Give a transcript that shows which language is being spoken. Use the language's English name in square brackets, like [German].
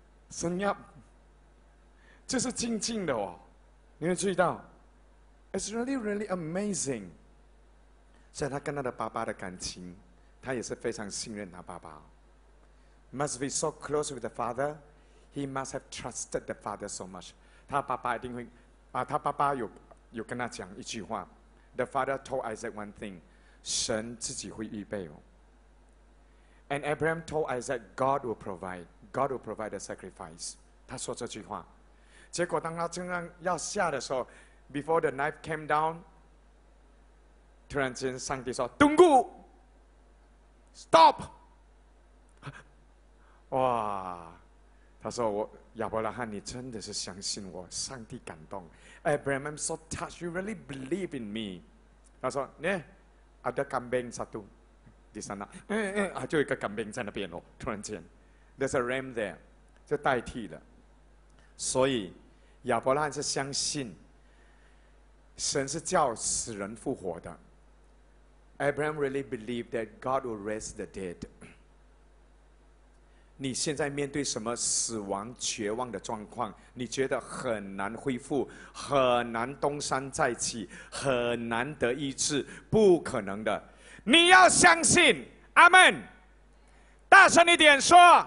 [Chinese] 声音就是静静的哦，你们注意到。 [English] It's really, really amazing. [Chinese] 所以他跟他的爸爸的感情，他也是非常信任他爸爸。 [English] Must be so close with the father, he must have trusted the father so much. [Chinese] 他爸爸一定会，他爸爸有跟他讲一句话。 [English] The father told Isaac one thing, [Chinese] 神自己会预备哦。 [English] And Abraham told Isaac, God will provide, God will provide the sacrifice. [Chinese] 他说这句话，结果当他正要下的时候， [English] Before the knife came down, [Chinese] 突然间上帝说 [Malay] Tunggu! [English] Stop! 哇， [Chinese] 他说我亚伯拉罕，你真的是相信我，上帝感动。 [English] Abraham, I'm so touched. You really believe in me. [Chinese] 他说呢， [Malay] ada kambing satu di sana. [Chinese] 就一个 kambing 在那边哦，突然间 ， [English] there's a ram there， [Chinese] 就代替了。所以亚伯拉罕是相信神是叫死人复活的。 [English] Abraham really believed that God will raise the dead. [Chinese] 你现在面对什么死亡绝望的状况，你觉得很难恢复，很难东山再起，很难得医治，不可能的。你要相信，阿们，大声一点说。